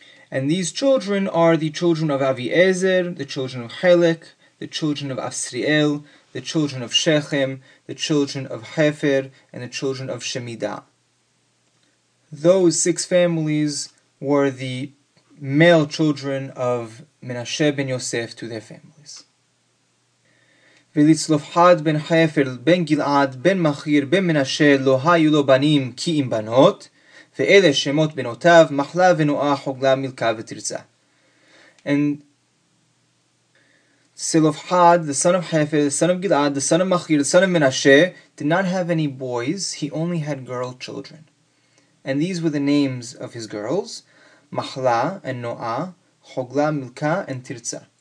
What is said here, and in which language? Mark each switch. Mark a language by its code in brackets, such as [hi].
[en] And these children are the children of Aviezer, the children of Chelek, the children of Asriel, the children of Shechem, the children of Hefer, and the children of Shemida. Those six families were the male children of Menashe ben Yosef to their families. [he] ולצלופחד בן חפר, בן גלעד, בן מחיר, בן מנשה, לא היו לו בנים כי אם בנות, ואלה שמות בנותיו, מחלה ונועה, חוגלה, מלכה ותרצה. [en] And צלופחד, the son of חפר, the son of גלעד, the son of מחיר, the son of מנשה, did not have any boys, he only had girl children. And these were the names of his girls, מחלה and נועה, חוגלה, מלכה and תרצה.